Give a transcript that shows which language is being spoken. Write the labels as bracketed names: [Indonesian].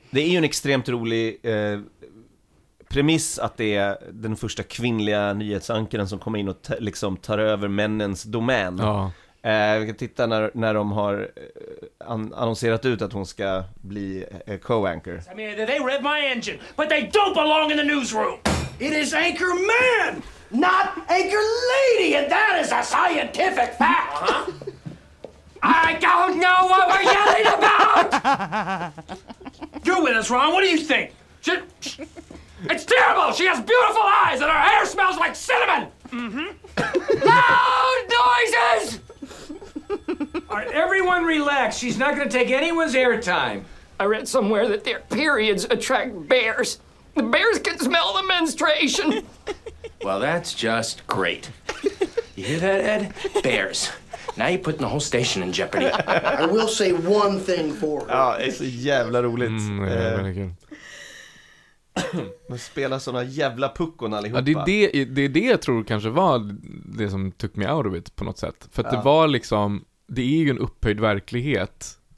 [Swedish] Det är ju en extremt rolig premiss att det är den första kvinnliga nyhetsankaren som kommer in och liksom tar över männens domän. Ja. Vi kan titta när de har annonserat ut att hon ska bli co-anchor. [English] I mean, they rev my engine, but they don't belong in the newsroom. It is anchor man, not anchor lady, and that is a scientific fact. I don't know what we're yelling about. You're with us, Ron. What do you think? It's terrible. She has beautiful eyes, and her hair smells like cinnamon. Loud noises. All right, everyone, relax. She's not going to take anyone's airtime. I read somewhere that their periods attract bears. The bears can smell the menstruation. Well, that's just great. You hear that, Ed? Bears. Now you're putting the whole station in jeopardy. I will say one thing for her. [Swedish] Ja, det är så jävla roligt. Man spelar såna jävla puckon allihopa. Ja, det är det jag tror kanske var det som [English] took me out of it [Swedish] på något sätt. För att det var liksom, det är ju en upphöjd verklighet.